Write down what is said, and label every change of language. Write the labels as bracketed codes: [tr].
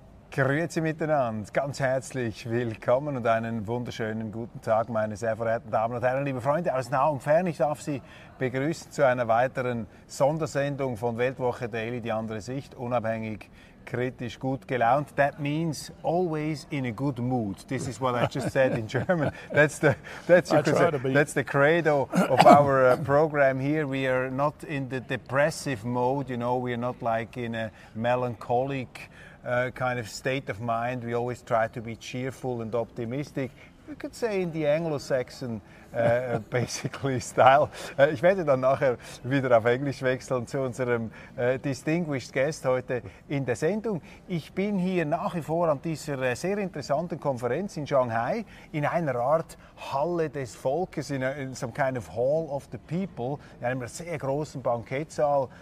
[de] Grüezi miteinander, ganz herzlich willkommen und einen wunderschönen guten Tag, meine sehr verehrten Damen und Herren, liebe Freunde aus nah und fern. Ich darf Sie begrüßen zu einer weiteren Sondersendung von Weltwoche Daily, die andere Sicht, unabhängig, kritisch, gut gelaunt. [en] That means always in a good mood. This is what I just said in German. That's the credo of our program here. We are not in the depressive mode, you know, we are not like in a melancholic kind of state of mind. We always try to be cheerful and optimistic. You could say in the Anglo-Saxon basically style. [de] Ich werde dann nachher wieder auf Englisch wechseln zu unserem [en] distinguished guest [de] heute in der Sendung. Ich bin hier nach wie vor an dieser sehr interessanten Konferenz in Shanghai, in einer Art Halle des Volkes, [en] in some kind of Hall of the People, [de] in einem sehr großen Bankettsaal.